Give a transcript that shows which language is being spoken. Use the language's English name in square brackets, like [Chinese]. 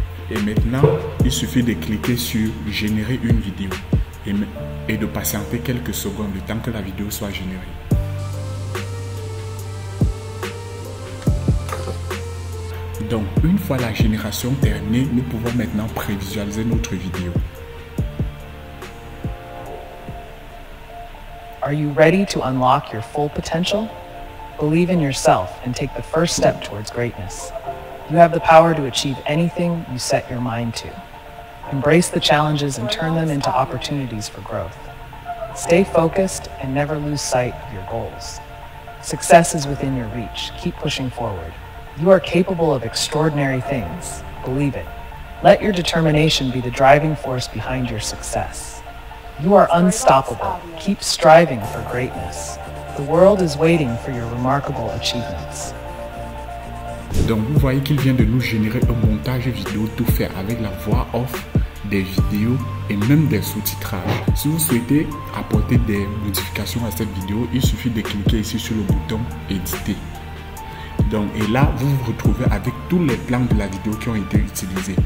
[French] Et maintenant, il suffit de cliquer sur « Générer une vidéo » et de patienter quelques secondes le temps que la vidéo soit générée. Donc, une fois la génération terminée, nous pouvons maintenant prévisualiser notre vidéo. [English] Are you ready to unlock your full potential? Believe in yourself and take the first step towards greatness. You have the power to achieve anything you set your mind to. Embrace the challenges and turn them into opportunities for growth. Stay focused and never lose sight of your goals. Success is within your reach. Keep pushing forward. You are capable of extraordinary things. Believe it. Let your determination be the driving force behind your success. You are unstoppable. Keep striving for greatness. The world is waiting for your remarkable achievements. [French] Donc vous voyez qu'il vient de nous générer un montage vidéo tout fait avec la voix off, des vidéos et même des sous-titrages. Si vous souhaitez apporter des modifications à cette vidéo, il suffit de cliquer ici sur le bouton éditer. Donc, et là, vous vous retrouvez avec tous les plans de la vidéo qui ont été utilisés.